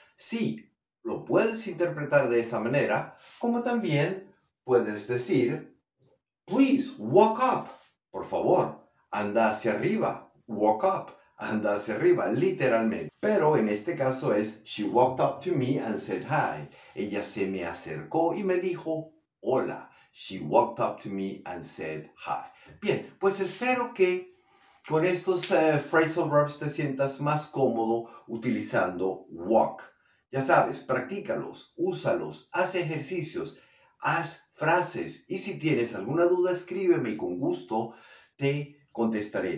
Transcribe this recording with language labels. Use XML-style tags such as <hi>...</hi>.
<es>Sí, lo puedes interpretar de esa manera, como también puedes decir,</es> <en>please walk up.</en> <es>Por favor, anda hacia arriba,</es> <en>walk up,</en> <es>anda hacia arriba, literalmente. Pero en este caso es,</es> <en>she walked up to me and said hi.</en> <es>Ella se me acercó y me dijo, hola.</es> <en>She walked up to me and said hi.</en> <es>Bien, pues espero que con estos phrasal verbs te sientas más cómodo utilizando walk. Ya sabes, practícalos, úsalos, haz ejercicios, haz frases. Y si tienes alguna duda, escríbeme y con gusto te contestaré.</es>